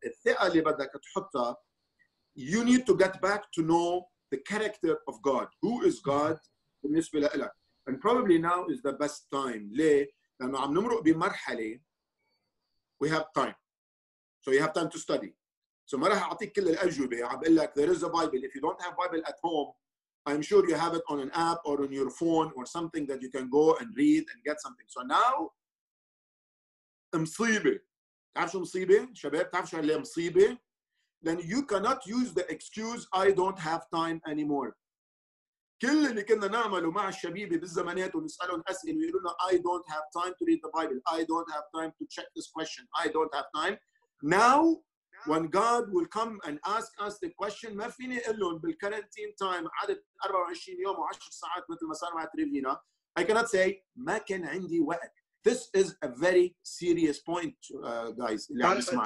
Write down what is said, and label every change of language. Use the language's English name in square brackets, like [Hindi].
[Arabic] الثقة اللي بدك تحطها, [English] you need to get back to know the character of God. Who is God [Arabic] بالنسبة لإلك? [English] And probably now is the best time. ليه? [Arabic] لأنه عم نمرق بمرحلة, [English] we have time. So you have time to study. [Arabic] So ما راح أعطيك كل الأجوبة. عم بقول لك [English] there is a Bible. If you don't have Bible at home, I'm sure you have it on an app or on your phone or something that you can go and read and get something. So now, [Arabic] مصيبة. تعرف شو مصيبة؟ شباب تعرف شو اللي مصيبة؟ [English] Then you cannot use the excuse I don't have time anymore. [Arabic] كل اللي كنا نعمله مع الشبيبة بالزمانات ونسألهم أسئلة ويقولون [English] I don't have time to read the Bible. I don't have time to check this question. I don't have time. Now, when God will come and ask us the question, [Arabic] ما فيني أقول لهم بالكارنتين تايم عدد 24 يوم و 10 ساعات مثل ما صار مع تريفينا, [English] I cannot say [Arabic] ما كان عندي وقت. [English] This is a very serious point, guys. [Arabic] اللي عم يسمع.